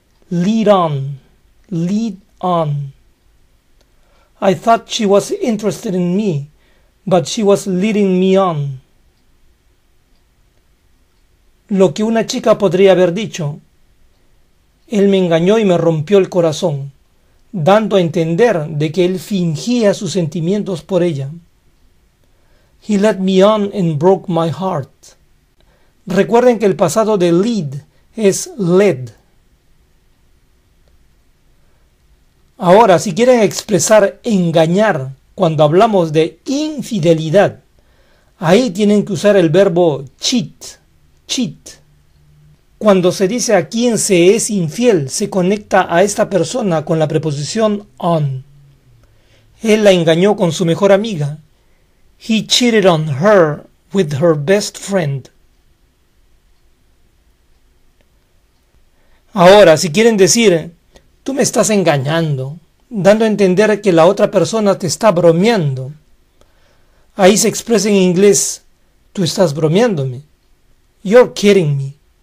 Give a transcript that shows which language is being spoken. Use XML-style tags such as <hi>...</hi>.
<en>Lead on. Lead on. I thought she was interested in me, but she was leading me on.</en> <es>Lo que una chica podría haber dicho. Él me engañó y me rompió el corazón, dando a entender de que él fingía sus sentimientos por ella.</es> <en>He led me on and broke my heart.</en> <es>Recuerden que el pasado de lead es led. Ahora, si quieren expresar engañar cuando hablamos de infidelidad, ahí tienen que usar el verbo cheat, cheat. Cuando se dice a quién se es infiel, se conecta a esta persona con la preposición on. Él la engañó con su mejor amiga.</es> <en>He cheated on her with her best friend.</en> <es>Ahora, si quieren decir, tú me estás engañando, dando a entender que la otra persona te está bromeando. Ahí se expresa en inglés, tú estás bromeándome.</es> <en>You're kidding me.</en>